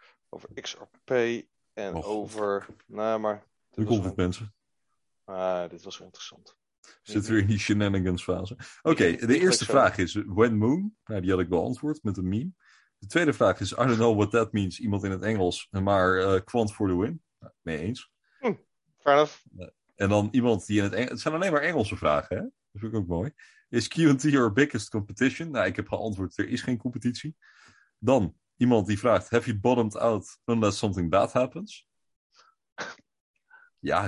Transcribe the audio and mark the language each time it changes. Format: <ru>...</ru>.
<nl>Over XRP en oh, over. Nou, maar. Nu komt het, mensen. Dit was wel interessant. Zit weer in die shenanigans fase. Oké, okay, de eerste vraag is:</nl> <en>When Moon?</en> <nl>Nou, die had ik beantwoord met een meme. De tweede vraag is:</nl> <en>I don't know what that means.</en> <nl>Iemand in het Engels, maar Quant</nl> <en>for the win.</en> <nl>Nou, mee eens.</nl> <en>Fair enough.</en> <nl>En dan iemand die in het Engels. Het zijn alleen maar Engelse vragen, hè? Dat vind ik ook mooi.</nl> <en>Is Q&T your biggest competition?</en> <nl>Nou, ik heb geantwoord: er is geen competitie. Dan iemand die vraagt:</nl> <en>Have you bottomed out unless something bad happens?</en> <nl>Ja, ik</nl>